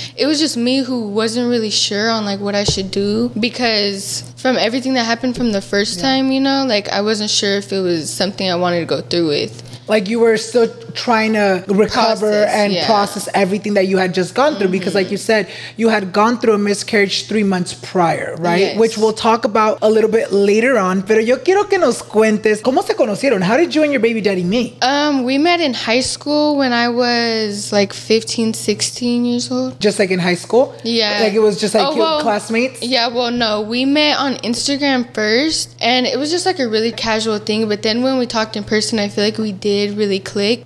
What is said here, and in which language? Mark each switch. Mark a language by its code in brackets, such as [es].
[en] It was just me who wasn't really sure on like what I should do because from everything that happened from the first time, you know, like I wasn't sure if it was something I wanted to go through with. Like, you were still trying to recover process everything that you had just gone through. Mm-hmm. Because like you said, you had gone through a miscarriage 3 months prior, right? Yes. Which we'll talk about a little bit later on. [es] Pero yo quiero que nos cuentes, ¿cómo se conocieron? [en] How did you and your baby daddy meet? We met in high school when I was like 15, 16 years old. Just like in high school? Yeah. Like, it was just like classmates? Yeah, well, no. We met on Instagram first. And it was just like a really casual thing. But then when we talked in person, I feel like we did really click.